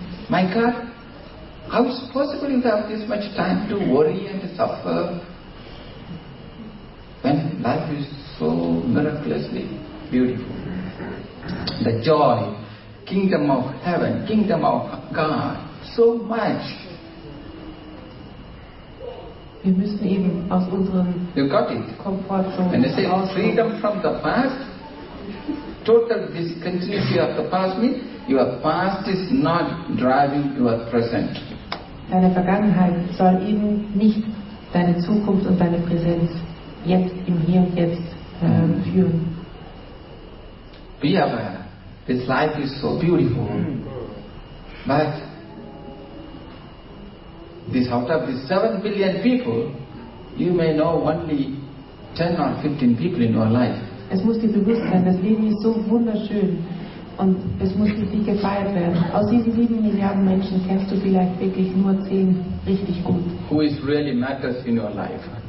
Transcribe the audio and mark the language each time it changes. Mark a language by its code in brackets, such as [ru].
[en] My God, how is it possible you have this much time to worry and suffer when life is so miraculously beautiful? The joy, kingdom of heaven, kingdom of God, so much. [de] Wir müssen eben aus unseren Komfortzone. [en] When I say freedom from the past, total discontinuity of the past means your past is not driving your present. [de] Deine Vergangenheit soll eben nicht deine Zukunft und deine Präsenz jetzt im Hier und Jetzt führen. [en] Be aware, this life is so beautiful, but this out of the 7 billion people, you may know only 10 or 15 people in your life. [de] Es muss dir bewusst sein, das Leben ist so wunderschön und es muss richtig gefeiert werden. Aus diesen 7 Milliarden Menschen kennst du vielleicht wirklich nur 10 richtig gut. [en] Who is really matters in your life?